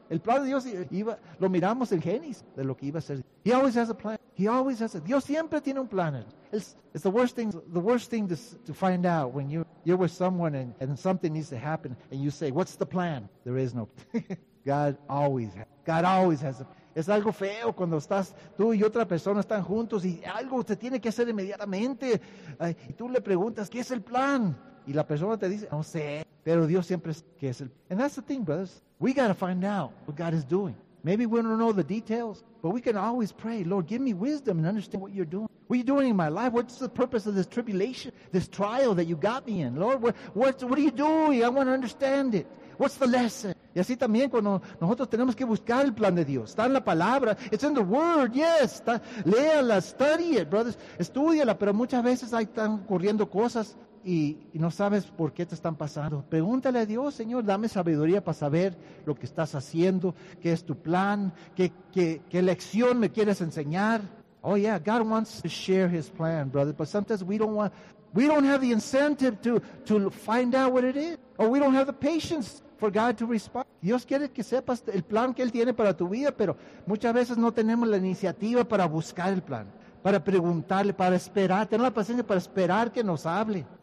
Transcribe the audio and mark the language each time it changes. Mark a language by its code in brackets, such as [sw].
[es] El plan de Dios iba, lo miramos en Génesis, de lo que iba a ser. [en] He always has a plan. He always has a plan. [es] Dios siempre tiene un plan. [en] It's the worst thing to find out when you're with someone and something needs to happen and you say, what's the plan? There is no plan. God always has a plan. [es] Es algo feo cuando estás tú y otra persona están juntos y algo se tiene que hacer inmediatamente. Ay, y tú le preguntas, ¿qué es el plan? Y la persona te dice, no sé. Pero Dios siempre es, ¿qué es el plan? [en] And that's the thing, brothers. We got to find out what God is doing. Maybe we don't know the details, but we can always pray, Lord, give me wisdom and understand what you're doing. What are you doing in my life? What's the purpose of this tribulation, this trial that you got me in? Lord, what are you doing? I want to understand it. What's the lesson? [es] Y así también cuando nosotros tenemos que buscar el plan de Dios. Está en la palabra. [en] It's in the word, yes. [es] Léala, [en] study it, brothers. [es] Estúdiala, pero muchas veces ahí están ocurriendo cosas y no sabes por qué te están pasando. Pregúntale a Dios, Señor, dame sabiduría para saber lo que estás haciendo, qué es tu plan, qué lección me quieres enseñar. [en] Oh, yeah, God wants to share his plan, brother, but sometimes we don't have the incentive to find out what it is, or we don't have the patience for God to respond. [es] Dios quiere que sepas el plan que Él tiene para tu vida, pero muchas veces no tenemos la iniciativa para buscar el plan, para preguntarle, para esperar, tener la paciencia para esperar que nos hable.